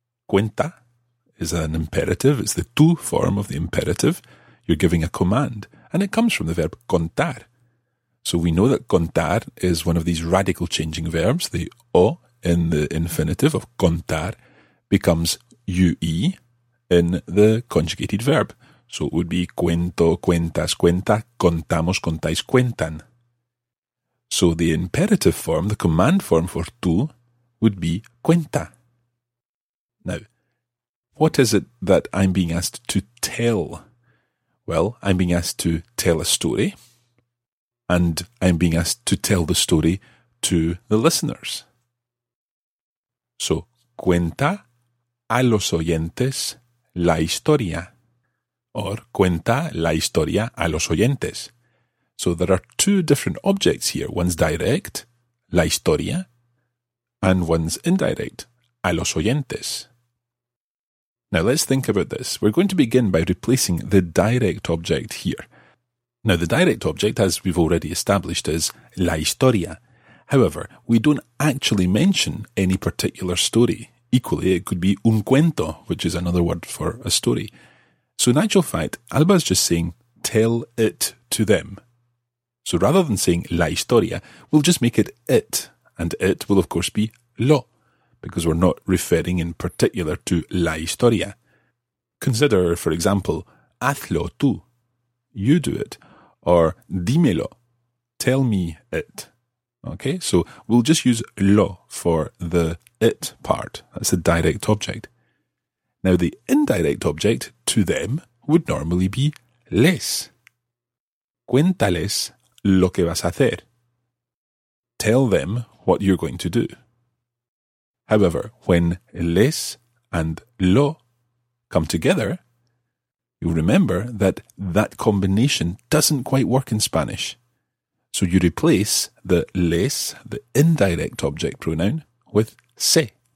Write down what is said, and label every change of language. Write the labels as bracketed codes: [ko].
[en] Cuenta is an imperative, it's the tú form of the imperative. You're giving a command, and it comes from the verb contar. So we know that contar is one of these radical changing verbs. The o in the infinitive of contar becomes ue in the conjugated verb. [es] So it would be cuento, cuentas, cuenta, contamos, contáis, cuentan. [en] So the imperative form, the command form for tú, would be cuenta. Now, what is it that I'm being asked to tell? Well, I'm being asked to tell a story. And I'm being asked to tell the story to the listeners. [es] So, cuenta a los oyentes la historia. Or, cuenta la historia a los oyentes. [en] So, there are two different objects here. One's direct, la historia, and one's indirect, a los oyentes. Now, let's think about this. We're going to begin by replacing the direct object here. Now, the direct object, as we've already established, is la historia. However, we don't actually mention any particular story. Equally, it could be un cuento, which is another word for a story. So in actual fact, Alba's just saying, tell it to them. So rather than saying la historia, we'll just make it it. And it will, of course, be lo, because we're not referring in particular to la historia. Consider, for example, [es] hazlo tú. [en] You do it. Or, dímelo, tell me it. Okay, so we'll just use lo for the it part. That's the direct object. Now, the indirect object to them would normally be les. [es] Cuéntales lo que vas a hacer. [en] Tell them what you're going to do. However, when les and lo come together, you remember that that combination doesn't quite work in Spanish. So you replace the les, the indirect object pronoun, with se.